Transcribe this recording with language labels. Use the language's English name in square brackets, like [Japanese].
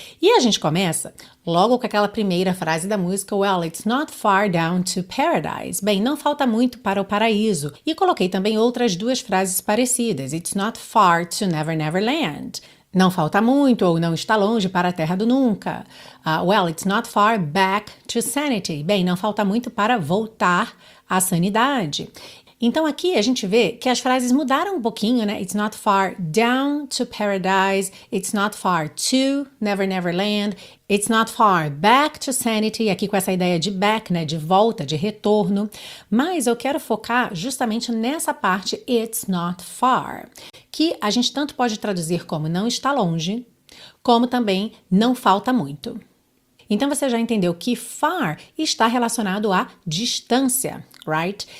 [Portuguese] E a gente começa logo com aquela primeira frase da música, [English] Well, it's not far down to paradise. [Portuguese] Bem, não falta muito para o paraíso. E coloquei também outras duas frases parecidas, [English] It's not far to Never Never Land. [Portuguese] Não falta muito ou não está longe para a terra do nunca. [English] Well, it's not far back to sanity. [Portuguese] Bem, não falta muito para voltar à sanidade. Então aqui a gente vê que as frases mudaram um pouquinho, né? [English] It's not far down to paradise, it's not far to Never Never Land, it's not far back to sanity, [Portuguese] aqui com essa ideia de back, né? De volta, de retorno. Mas eu quero focar justamente nessa parte, [English] it's not far, [Portuguese] que a gente tanto pode traduzir como não está longe, como também não falta muito. Então você já entendeu que far está relacionado à distância, [English] right?